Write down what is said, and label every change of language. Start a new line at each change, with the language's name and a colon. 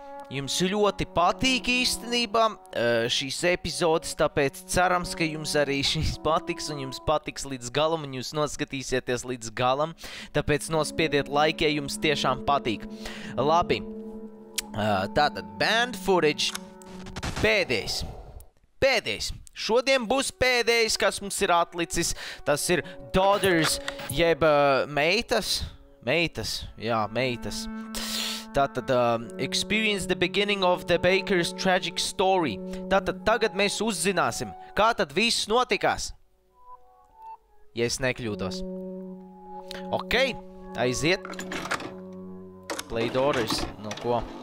Latvian: Jums ļoti patīk īstenībā šīs epizodes, tāpēc cerams, ka jums arī šīs patiks un jums patiks līdz galam un jūs noskatīsieties līdz galam, tāpēc nospiediet like, ja jums tiešām patīk. Labi, tātad
English: band footage
Latvian: pēdējais. Šodien būs pēdējais, kas mums ir atlicis, tas ir daughters, jeb meitas. Meitas, jā, meitas. Tātad,
English: experience the beginning of the Baker's tragic story.
Latvian: Tātad, tagad mēs uzzināsim, kā tad viss notikās. Ja es nekļūdos. Ok, aiziet.
English: Play daughters,
Latvian: nu ko.